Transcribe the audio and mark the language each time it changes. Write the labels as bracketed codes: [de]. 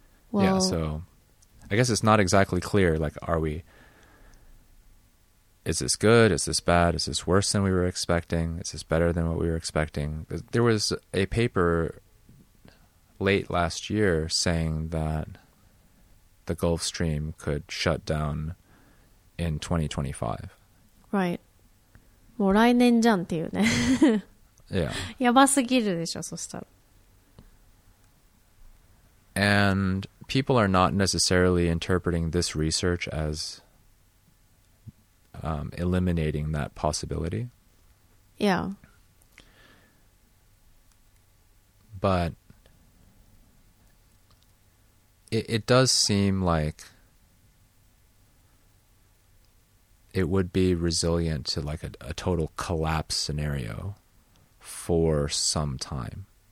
[en] Well, yeah, so I guess it's not exactly clear, like, is this good? Is this bad? Is this worse than we were expecting? Is this better than what we were expecting? There was a paper late last year saying that the Gulf Stream could shut down in 2025. Right. [ja] もう来年じゃんっていうね。 [en] Yeah. [ja] やばすぎるでしょ、そしたら。 [en] And people are not necessarily interpreting this research as eliminating that possibility. Yeah. But it does seem like it would be resilient to like a total collapse scenario for some time.